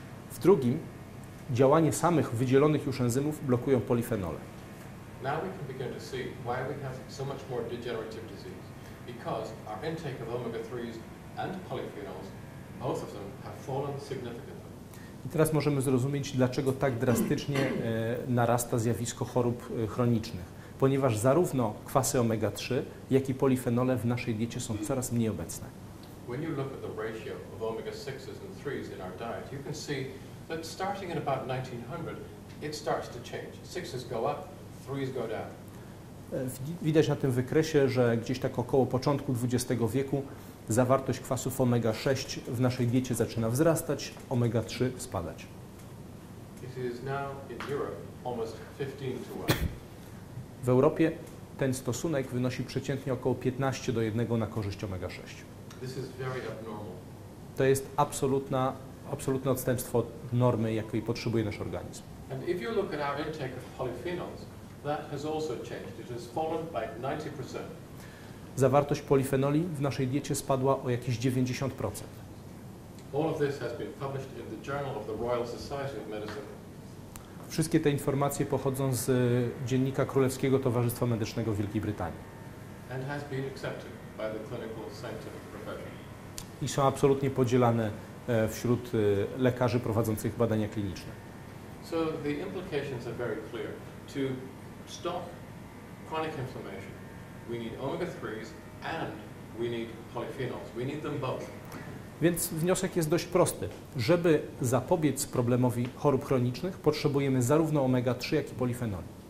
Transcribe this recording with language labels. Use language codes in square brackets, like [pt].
[pl] W drugim działanie samych wydzielonych już enzymów blokują polifenole. [en] Now we can begin to see why we have so much more degenerative disease. Because our intake of omega-3s and polyphenols, both of them have fallen significantly. [pl] I teraz możemy zrozumieć, dlaczego tak drastycznie narasta zjawisko chorób chronicznych. Ponieważ zarówno kwasy omega-3, jak i polifenole w naszej diecie są coraz mniej obecne. [en] When you look at the ratio of omega-6s and 3s in our diet, you can see that starting in about 1900, it starts to change. 6s go up, 3s go down. [pl] Widać na tym wykresie, że gdzieś tak około początku XX wieku zawartość kwasów omega-6 w naszej diecie zaczyna wzrastać, omega-3 spadać. [en] It is now in Europe almost 15-1. [pl] W Europie ten stosunek wynosi przeciętnie około 15:1 na korzyść omega-6. [en] This is very abnormal. [pl] To jest absolutne odstępstwo od normy, jakiej potrzebuje nasz organizm. [en] And if you look at our intake of polyphenols, that has also changed. It has fallen by 90%. [pl] Zawartość polifenoli w naszej diecie spadła o jakieś 90%. [en] All of this has been published in the Journal of the Royal Society of Medicine. [pl] Wszystkie te informacje pochodzą z dziennika Królewskiego Towarzystwa Medycznego w Wielkiej Brytanii. [en] And has been accepted by the clinical scientific profession. [pl] I są absolutnie podzielane wśród lekarzy prowadzących badania kliniczne. [en] So the implications are very clear. To stop chronic inflammation, we need omega-3s and we need polyphenols. We need them both. [pl] Więc wniosek jest dość prosty. Żeby zapobiec problemowi chorób chronicznych, potrzebujemy zarówno omega-3, jak i polifenoli.